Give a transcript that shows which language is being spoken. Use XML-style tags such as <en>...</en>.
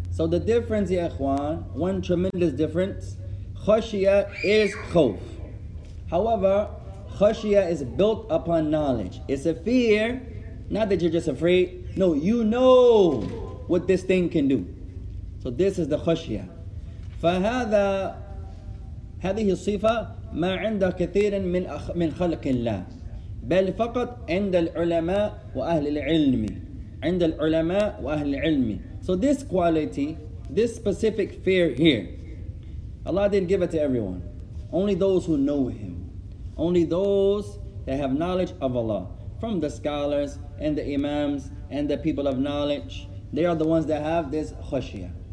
<en>So the difference,</en> <ar>ya ikhwan,</ar> <en>one tremendous difference, خَشْيَة is خَوْف. However, خَشْيَة is built upon knowledge. It's a fear, not that you're just afraid. No, you know what this thing can do. So this is the خَشْيَة.</en> <ar>فَهَذَا هذه الصفة ما عند كثير من خلق الله بل فقط عند العلماء وأهل العلم عند العلماء وأهل العلم.</ar> <en>So this quality, this specific fear here, Allah didn't give it to everyone. Only those who know Him, only those that have knowledge of Allah, from the scholars and the imams and the people of knowledge, they are the ones that have this khushya.</en>